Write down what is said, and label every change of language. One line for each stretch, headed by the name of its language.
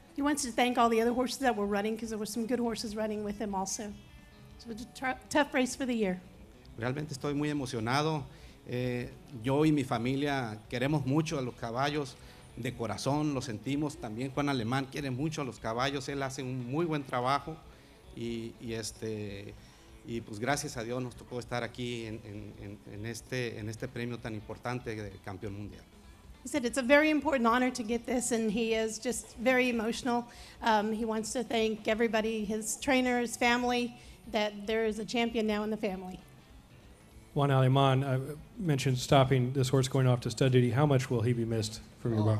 English: He wants to thank all the other horses that were running because there were some good horses running with him also. So it's a tough race for the year.
Spanish: Realmente estoy muy emocionado. Yo y mi familia queremos mucho a los caballos de corazón, lo sentimos. También Juan Alemán quiere mucho a los caballos. Él hace un muy buen trabajo y pues gracias a Dios nos tocó estar aquí en este premio tan importante de campeón mundial.
English: He said it's a very important honor to get this, and he is just very emotional. He wants to thank everybody, his trainers, family, that there is a champion now in the family. Juan Alemán mentioned stopping this horse going off to stud duty. How much will he be missed from your barn?